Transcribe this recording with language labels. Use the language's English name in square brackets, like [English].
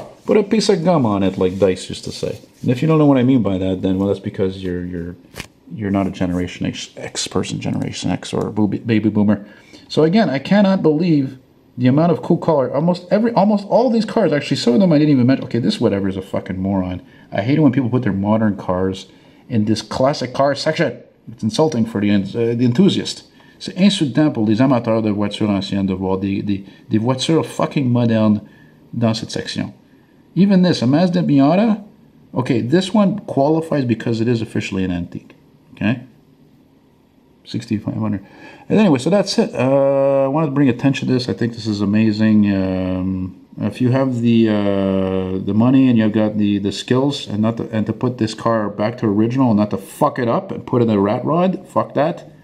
[English] Put a piece of gum on it, like Dice used to say. And if you don't know what I mean by that, then, well, that's because you're not a Generation X person, Generation X, or Baby Boomer. So again, I cannot believe the amount of cool color. Almost all these cars, actually, some of them I didn't even mention. Okay, this whatever is a fucking moron. I hate it when people put their modern cars in this classic car section. It's insulting for the enthusiast. [French] C'est insultant pour les amateurs de voitures anciennes de voir des voitures fucking modernes dans cette section. [English] Even this, a Mazda Miata, okay, this one qualifies because it is officially an antique, okay? 6,500. And anyway, so that's it. I wanted to bring attention to this. I think this is amazing. If you have the money and you've got the skills and to put this car back to original and not to fuck it up and put in a rat rod, fuck that.